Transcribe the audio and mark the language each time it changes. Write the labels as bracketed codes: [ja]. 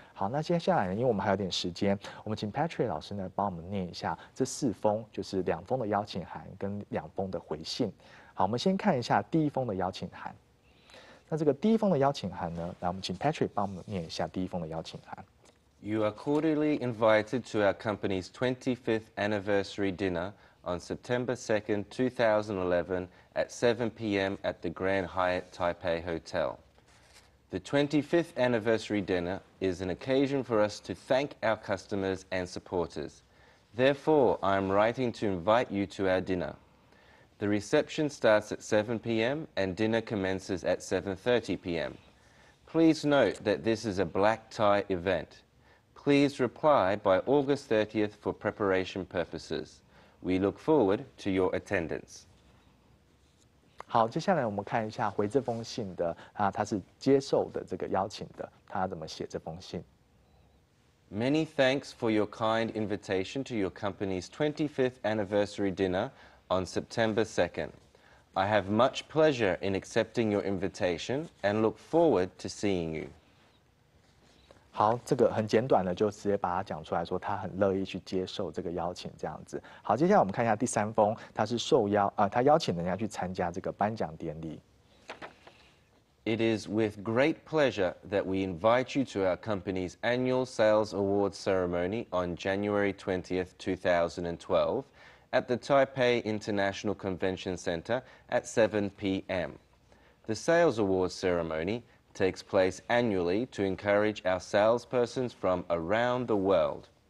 [zh] 好，那接下来呢，因为我们还有点时间，我们请 Patrick 老师呢帮我们念一下这四封，就是两封的邀请函跟两封的回信。好，我们先看一下第一封的邀请函。那这个第一封的邀请函呢，来，我们请 Patrick 帮我们念一下第一封的邀请函。 [en] You are cordially invited to our company's 25th anniversary dinner on September 2nd, 2011 at 7 p.m. at the Grand Hyatt Taipei Hotel. The 25th anniversary dinner is an occasion for us to thank our customers and supporters. Therefore, I am writing to invite you to our dinner. The reception starts at 7 p.m. and dinner commences at 7:30 p.m. Please note that this is a black tie event. Please reply by August 30th for preparation purposes. We look forward to your attendance. [zh] 好，接下来我们看一下回这封信的啊，他是接受的这个邀请的，他怎么写这封信。 [en] Many thanks for your kind invitation to your company's 25th anniversary dinner. On September 2nd, I have much pleasure in accepting your invitation and look forward to seeing you. [zh] 好，这个很简短的就直接把它讲出来说，他很乐意去接受这个邀请这样子。好，接下来我们看一下第三封，他是受邀他邀请人家去参加这个颁奖典礼。 [en] It is with great pleasure that we invite you to our company's annual sales awards ceremony on January 20th, 2012. At the Taipei International Convention Center at 7 p.m. The Sales Awards ceremony takes place annually to encourage our salespersons from around the world.